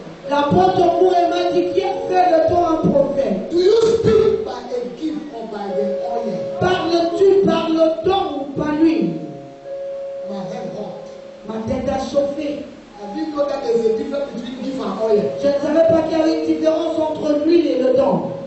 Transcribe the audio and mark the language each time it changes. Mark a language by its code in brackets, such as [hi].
[fr] L'apôtre Kure m'a dit, qui fait de toi un prophète? [en] Do you speak by a gift or by the oil? [fr] Parles-tu par le don ou par lui? [en] My head hot. [fr] Ma tête a chauffé. [en] Have you noticed that there's a difference between gift and oil? [fr] Je ne savais pas qu'il y avait une différence entre l'huile et le don.